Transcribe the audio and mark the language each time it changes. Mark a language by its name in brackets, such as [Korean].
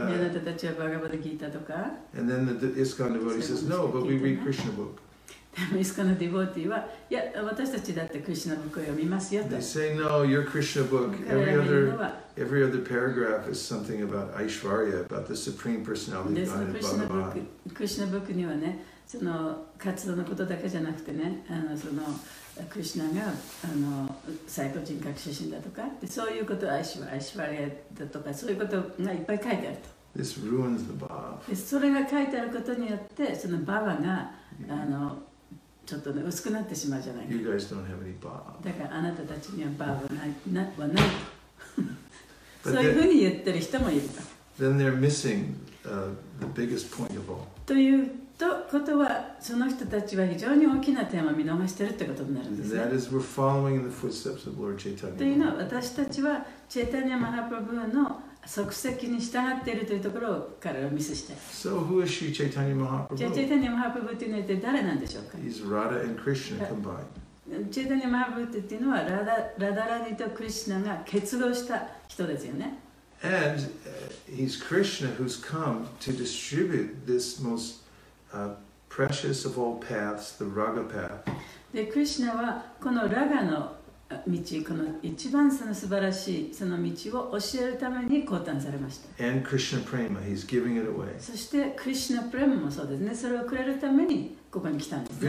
[Japanese] あなたたちはバガヴァギータとか。 [English] And then the ISKCON devotee says, no, but we read Krishna book. [Japanese] でも ISKCON のディボーティーは、いや、私たちだって Krishna book を読みますよと。 [English] They say, no, your Krishna book, every other paragraph is something about Aishwarya, about the Supreme Personality of Godhead Bhagavan. [Japanese] Krishna book にはね、その活動のことだけじゃなくてね、そのクリシュナが最高人格出身だとか、でそういうことを愛しわれだとか、そういうことがいっぱい書いてあると。 [English] This ruins the bhava. [Japanese] でそれが書いてあることによって、そのバーバがちょっとね薄くなってしまうじゃないか。 [English] You guys don't have any bhava. [Japanese] だからあなたたちにはバーバはないと。そういうふうに言ってる人もいると。 [English] Then they're missing the biggest point of all. [Japanese] という。とことはその人たちは非常に大きな点を見逃しているということになるんですね。 [English] That is, we're following in the footsteps of Lord Chaitanya. [Japanese] というのは私たちはチェタニアマハプラブーの足跡に従っているというところからミスして。 [English] So who is she, Chaitanya Mahaprabhu? [Japanese] じゃあチェタニアマハプラブーというのは誰なんでしょうか。 [English] He's Radha and Krishna combined. [Japanese] チェタニアマハプラブーというのはラダラニとクリシナが結合した人ですよね。 [English] And he's Krishna who's come to distribute this most precious of all paths, the Raga path. [Japanese] で、クリシュナはこのラガの道、この一番その素晴らしいその道を教えるために降誕されました。 [English] And Krishna Prema, he's giving it away. [Japanese] そしてクリシュナプレマもそうですね。それをくれるためにここに来たんですね。